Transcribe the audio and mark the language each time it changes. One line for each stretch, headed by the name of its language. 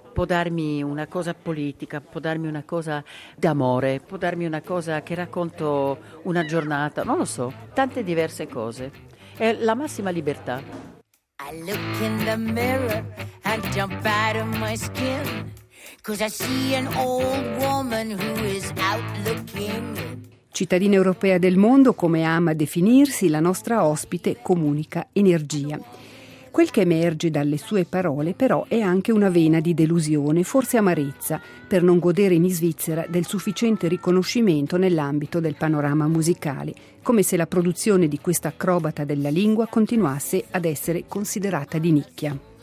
Italian: Può darmi una cosa politica, può darmi una cosa d'amore, può darmi una cosa che racconto una giornata, non lo so, tante diverse cose. È la massima libertà.
English: I look in the mirror and jump out of my skin, 'cause I see an old woman who is out looking.
Italian: Cittadina europea del mondo, come ama definirsi, la nostra ospite comunica energia. Quel che emerge dalle sue parole, però, è anche una vena di delusione, forse amarezza, per non godere in Svizzera del sufficiente riconoscimento nell'ambito del panorama musicale, come se la produzione di questa acrobata della lingua continuasse ad essere considerata di nicchia.